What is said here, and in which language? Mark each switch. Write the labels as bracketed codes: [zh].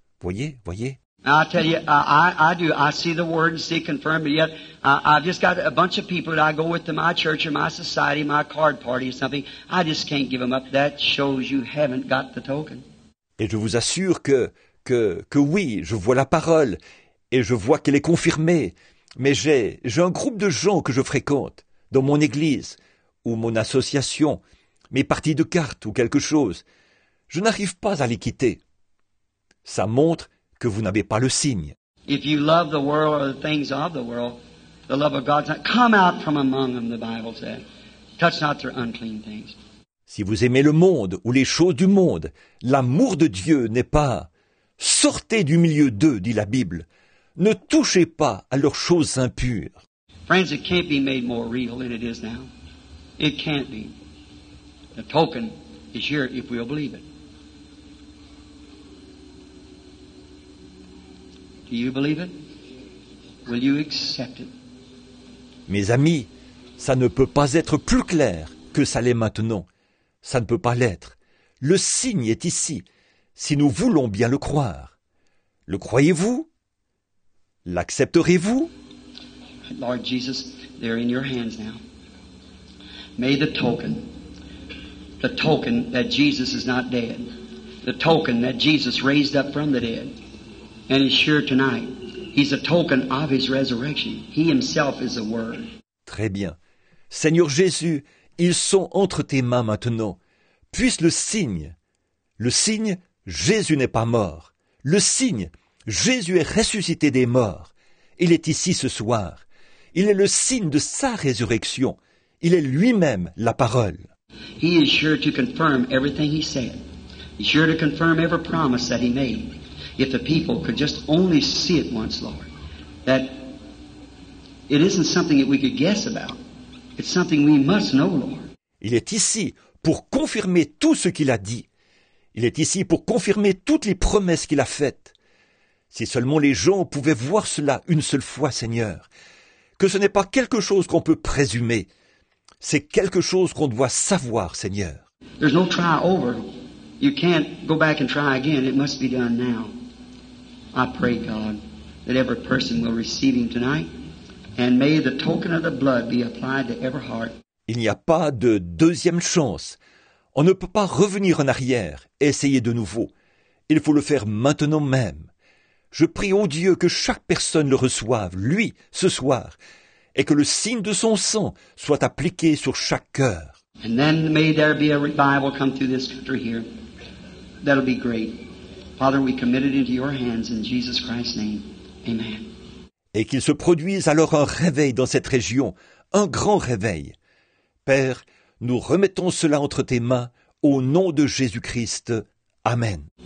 [fr] Voyez, voyez. [en] I tell you, I do. I see the word and see it confirmed. But yet, I've just got a bunch of people that I go with to my church or my society, my card party or something. I just can't give them up. That shows you haven't got the token. [fr] Et je vous assure que oui, je vois la parole et je vois qu'elle est confirmée. Mais j'ai un groupe de gens que je fréquente dans mon église ou mon association, mes parties de cartes ou quelque chose. Je n'arrive pas à les quitter. Ça montre que vous n'avez pas le signe. [en] If you love the world or the things of the world, the love of God's not come out from among them, the Bible said. Touch not their unclean things. [fr] Si vous aimez le monde ou les choses du monde, l'amour de Dieu n'est pas « Sortez du milieu d'eux », dit la Bible. « Ne touchez pas à leurs choses impures. » [en] Friends, it can't be made more real than it is now. It can't be. The token is here if we'll believe it. Do you believe it? Will you accept it? [fr] Mes amis, ça ne peut pas être plus clair que ça l'est maintenant. Ça ne peut pas l'être. Le signe est ici, si nous voulons bien le croire. Le croyez-vous? L'accepterez-vous? [en] Lord Jesus, they're in your hands now. May the token that Jesus is not dead, the token that Jesus raised up from the dead, and is sure tonight, he's a token of his resurrection. He himself is the word. [fr] Très bien. Seigneur Jésus, ils sont entre tes mains maintenant. Puisse le signe, Jésus n'est pas mort. Le signe, Jésus est ressuscité des morts. Il est ici ce soir. Il est le signe de sa résurrection. Il est lui-même la parole. [en] He is sure to confirm everything he said. He's sure to confirm every promise that he made. If the people could just only see it once, Lord, that it isn't something that we could guess about. It's something we must know, Lord. [fr] Il est ici pour confirmer tout ce qu'il a dit. Il est ici pour confirmer toutes les promesses qu'il a faites. Si seulement les gens pouvaient voir cela une seule fois, Seigneur, que ce n'est pas quelque chose qu'on peut présumer, c'est quelque chose qu'on doit savoir, Seigneur. [en] There's no try over. You can't go back and try again. It must be done now. I pray, God, that every person will receive him tonight. And may the token of the blood be applied to every heart. [fr] Il n'y a pas de deuxième chance. On ne peut pas revenir en arrière et essayer de nouveau. Il faut le faire maintenant même. Je prie au Dieu que chaque personne le reçoive, lui, ce soir, et que le signe de son sang soit appliqué sur chaque cœur. [en] And then may there be a revival come through this country here. That'll be great. Father, we commit it into your hands in Jesus Christ's name. Amen. [fr] Et qu'il se produise alors un réveil dans cette région, un grand réveil. Père, Nous remettons cela entre tes mains, au nom de Jésus-Christ. Amen.